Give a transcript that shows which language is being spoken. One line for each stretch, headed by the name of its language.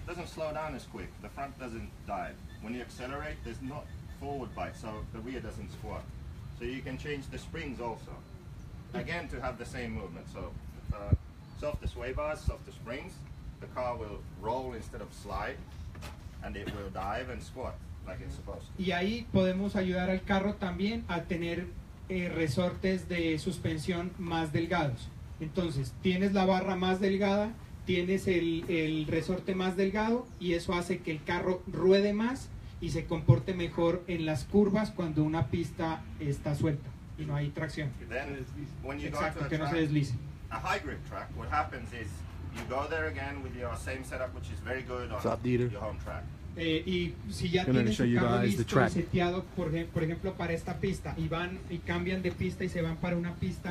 English: It doesn't slow down as quick. The front doesn't dive. When you accelerate, there's not forward bite, so the rear doesn't squat. So you can change the springs also, again to have the same movement. So softer sway bars, softer springs. The car will roll instead of slide, and it will dive and squat like it's supposed to.
Spanish: Y ahí podemos ayudar al carro también a tener resortes de suspensión más delgados. Entonces, tienes la barra más delgada, tienes el resorte más delgado, y eso hace que el carro ruede más y se comporte mejor en las curvas cuando una pista está suelta y no hay tracción. Exacto, no se deslice.
English: A high grip track, what happens is you go there again with your same setup, which is very good on your home track. I'm going to show you guys the track.
Spanish: Seteado, por ejemplo, para esta pista, y van y cambian de pista y se van para una pista